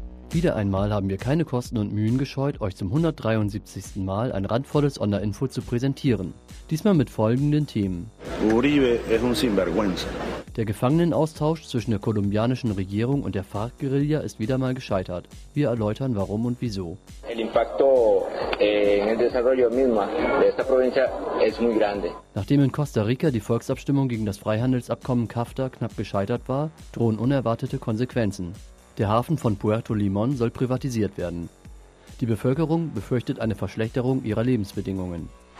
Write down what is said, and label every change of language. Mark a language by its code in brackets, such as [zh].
[de] Wieder einmal haben wir keine Kosten und Mühen gescheut, euch zum 173. Mal ein randvolles Onda-Info zu präsentieren. Diesmal mit folgenden Themen. [es] Uribe es un sinvergüenza. [de] Der Gefangenenaustausch zwischen der kolumbianischen Regierung und der FARC-Guerilla ist wieder mal gescheitert. Wir erläutern, warum und wieso. [es] El impacto en el desarrollo mismo de esta provincia es muy grande. [de] Nachdem in Costa Rica die Volksabstimmung gegen das Freihandelsabkommen CAFTA knapp gescheitert war, drohen unerwartete Konsequenzen. Der Hafen von Puerto Limón soll privatisiert werden. Die Bevölkerung befürchtet eine Verschlechterung ihrer Lebensbedingungen.